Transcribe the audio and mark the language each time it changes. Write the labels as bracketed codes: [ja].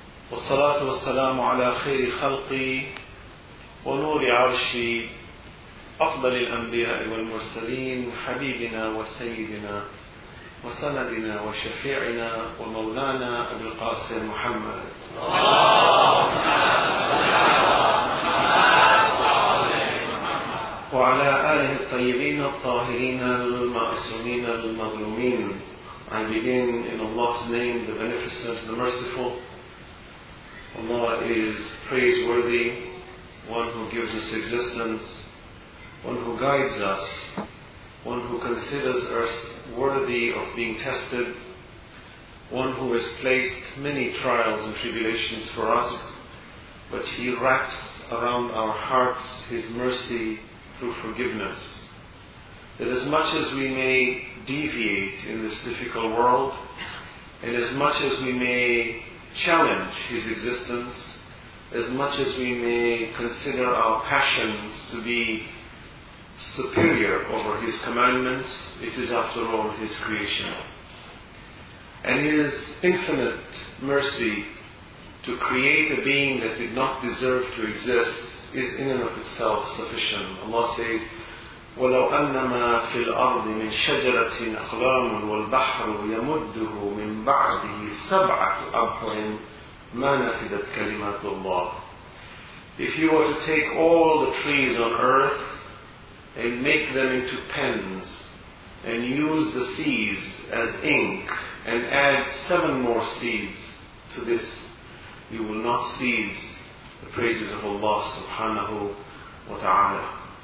[ar] والصلاة والسلام على خير خلقي ونور عرشي أفضل الأنبياء والمرسلين حبيبنا وسيدنا وسندنا وشفيعنا ومولانا أبي القاسم محمد. وعلى آله الطيبين الطاهرين المعصومين المظلومين. [en] I begin in Allah's name, the Beneficent, the Merciful. Allah is praiseworthy, one who gives us existence, one who guides us, one who considers us worthy of being tested, one who has placed many trials and tribulations for us, but He wraps around our hearts His mercy through forgiveness. That as much as we may deviate in this difficult world, and as much as we may challenge His existence, as much as we may consider our passions to be superior over His commandments, it is after all His creation. And His infinite mercy to create a being that did not deserve to exist is in and of itself sufficient. Allah says, [ar] وَلَوْ أَنَّمَا فِي الْأَرْضِ مِنْ شَجَرَةٍ أَقْلَامٌ وَالْبَحْرُ يَمُدُّهُ مِنْ بَعْدِهِ سَبْعَةُ أَبْحُرٍ مَا نَفِدَتْ كَلِمَةُ اللَّهِ. [en] If you were to take all the trees on earth and make them into pens, and use the seeds as ink, and add 7 more seeds to this, you will not cease the praises of Allah subhanahu wa ta'ala.